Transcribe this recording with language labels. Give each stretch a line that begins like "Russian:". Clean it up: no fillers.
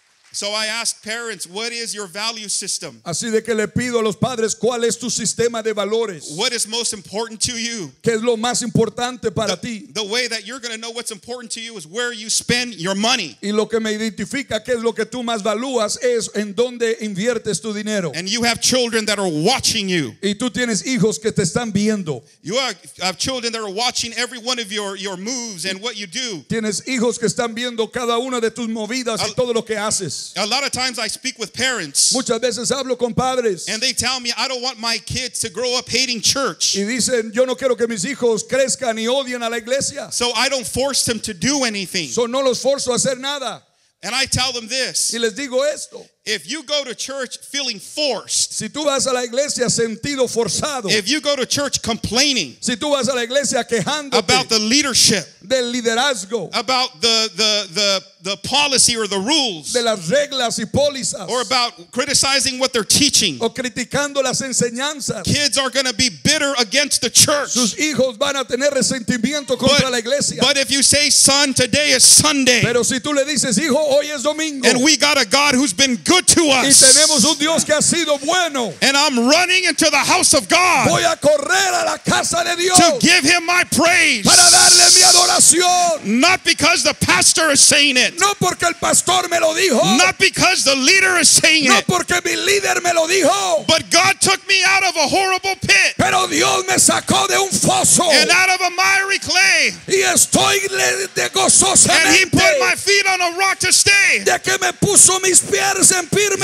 English: So I ask parents, what is your value system?
Spanish: Así de que le pido a los padres, ¿cuál es tu sistema de valores?
English: What is most important to you?
Spanish: ¿Qué es lo más importante para ti?
English: The way that you're going to know what's important to you is where you spend your money.
Spanish: Y lo que me identifica, ¿qué es lo que tú más valúas? Es en dónde inviertes tu dinero.
English: And you have children that are watching you.
Spanish: Y tú tienes hijos que te están viendo.
English: You have children that are watching every one of your moves and what you do.
Spanish: Tienes hijos que están viendo cada una de tus movidas y todo lo que haces.
English: A lot of times I speak with parents.
Spanish: Muchas veces hablo con padres.
English: And they tell me I don't want my kids to grow up hating church.
Spanish: Y dicen, yo no quiero que mis hijos crezcan y odien a la iglesia.
English: So I don't force them to do anything.
Spanish: So no los forzo a hacer nada.
English: And I tell them this.
Spanish: Y les digo esto.
English: If you go to church feeling forced.
Spanish: Si tú vas a la iglesia sentido forzado.
English: If you go to church complaining.
Spanish: Si tú vas a la iglesia quejándote.
English: About the leadership.
Spanish: Del liderazgo.
English: About the policy or the rules.
Spanish: De las reglas y pólizas.
English: Or about criticizing what they're teaching.
Spanish: O criticando las enseñanzas.
English: Kids are going to be bitter against the church.
Spanish: Sus hijos van a tener resentimiento contra la iglesia.
English: But if you say, son, today is Sunday.
Spanish: Pero si tú le dices, hijo, hoy es domingo.
English: And we got a God who's been good to us.
Spanish: Y tenemos un Dios que ha sido bueno.
English: And I'm running into the house of God.
Spanish: Voy a correr a la casa de Dios.
English: To give him my praise.
Spanish: Para darle mi adoración.
English: Not because the pastor is saying it.
Spanish: No porque el pastor me lo dijo.
English: Not because the leader is saying it.
Spanish: No porque mi líder me lo dijo.
English: But God took me out of a horrible pit.
Spanish: Pero Dios me sacó de un foso.
English: And out of a miry clay.
Spanish: Y estoy de gozosamente.
English: And he put my feet on a rock to stay.
Spanish: De que me puso mis pies en firme